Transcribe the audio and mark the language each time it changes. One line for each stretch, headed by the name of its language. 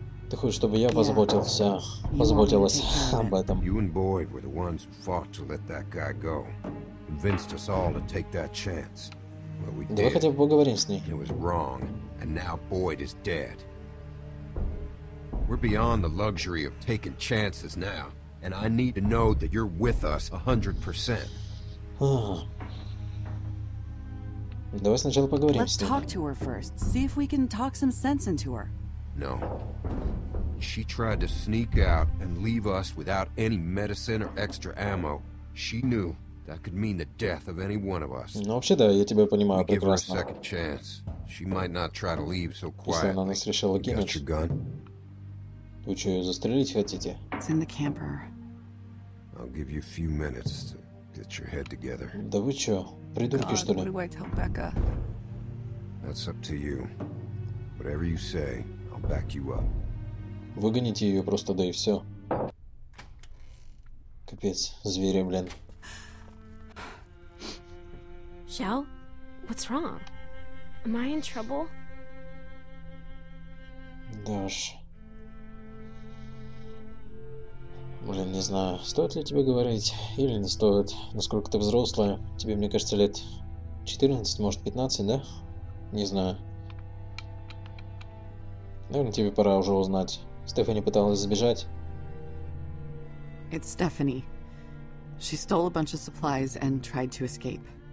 Russian: Ты хочешь, чтобы я позаботился, позаботилась об этом?
English: You and Boyd were the ones who fought to let that guy go. Convinced us all to take that chance. Well, we
Russian: Давай хотя бы поговорим с ней.
English: It was wrong, and now Boyd is dead. We're beyond the luxury of taking chances now, and I need to know that you're with us 100%.
Russian: Давай сначала поговорим
English: Let's talk to her first. See if we can talk some sense into her. No. She tried to sneak out and leave us without any medicine or extra ammo. She knew that could mean the death of any one of us.
Russian: Ну, вообще, да, я тебя понимаю прекрасно.
English: Give her a second chance. She might not try to leave so quietly.
Russian: Если она нас решила кинуть.
English: Got your gun?
Russian: Вы что, ее застрелить хотите?
English: It's in the camper. I'll give you a few minutes to get your head together.
Russian: Да вы что? Придурки, что ли?
English: God, what do I tell Becca? That's up to you. Whatever you say, I'll back you up.
Russian: Выгоните ее просто, да и все. Капец, звери, блин. Shell? What's wrong? Am I in trouble? Да уж. Блин, не знаю, стоит ли тебе говорить или не стоит. Насколько ты взрослая? Тебе, мне кажется, лет 14, может 15, да? Не знаю. Наверное, тебе пора уже узнать. Стефани пыталась сбежать.
English: It's Stephanie. She stole a bunch of supplies and tried to escape.